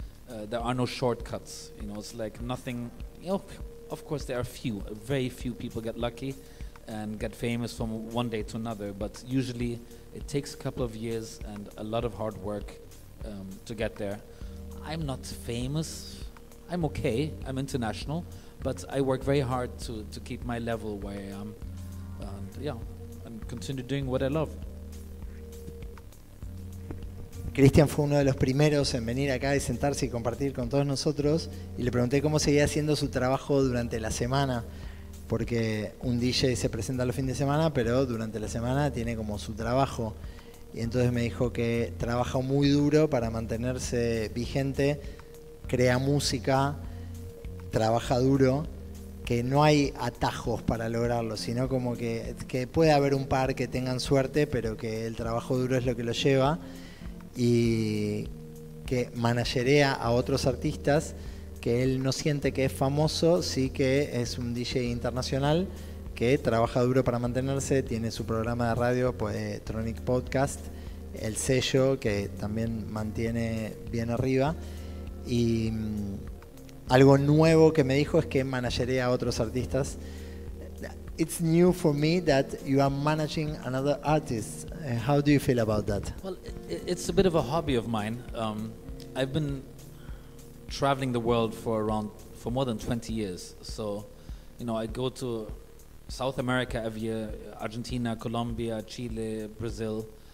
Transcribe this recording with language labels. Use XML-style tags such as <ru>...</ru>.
<en>There are no shortcuts, you know, it's like nothing, you know, of course there are few, very few people get lucky and get famous from one day to another, but usually it takes a couple of years and a lot of hard work to get there. I'm not famous, I'm okay, I'm international, but I work very hard to keep my level where I am and yeah, and continue doing what I love.</en> <es>Cristian fue uno de los primeros en venir acá y sentarse y compartir con todos nosotros y le pregunté cómo seguía haciendo su trabajo durante la semana, porque un DJ se presenta los fines de semana, pero durante la semana tiene como su trabajo. Y entonces me dijo que trabaja muy duro para mantenerse vigente, crea música, trabaja duro, que no hay atajos para lograrlo, sino como que puede haber un par que tengan suerte, pero que el trabajo duro es lo que lo lleva. Y que managerea a otros artistas, que él no siente que es famoso, sí que es un DJ internacional que trabaja duro para mantenerse, tiene su programa de radio, pues Tronic Podcast, el sello que también mantiene bien arriba. Y algo nuevo que me dijo es que managerea a otros artistas.</es> <en>It's new for me that you are managing another artist. How do you feel about that? Well, it's a bit of a hobby of mine. I've been traveling the world for more than 20 years. So, you know, I go to South America every year, Argentina, Colombia, Chile, Brazil.</en>